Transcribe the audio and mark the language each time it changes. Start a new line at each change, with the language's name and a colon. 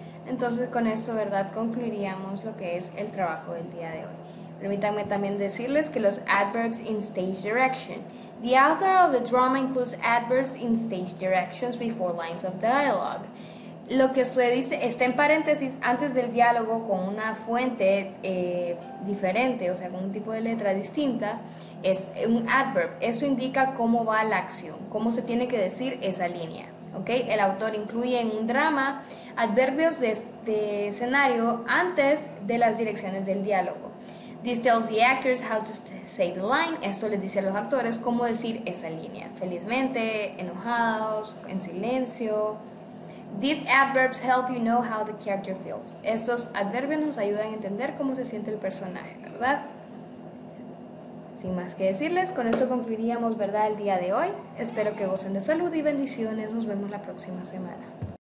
Spanish: Entonces con esto, ¿verdad?, concluiríamos lo que es el trabajo del día de hoy. Permítanme también decirles que los
English: adverbs in stage direction. The author of the drama includes adverbs in stage directions before lines of dialogue.
Spanish: Lo que se dice está en paréntesis antes del diálogo con una fuente diferente, o sea, con un tipo de letra distinta, es un adverb. Esto indica cómo va la acción, cómo se tiene que decir esa línea. ¿Okay? El autor incluye en un drama adverbios de escenario antes de las direcciones del diálogo.
English: This tells the actors how to say the line.
Spanish: Esto les dice a los actores cómo decir esa línea. Felizmente, enojados, en silencio.
English: These adverbs help you know how the character feels.
Spanish: Estos adverbios nos ayudan a entender cómo se siente el personaje, ¿verdad? Sin más que decirles, con esto concluiríamos, ¿verdad?, el día de hoy. Espero que gocen de salud y bendiciones. Nos vemos la próxima semana.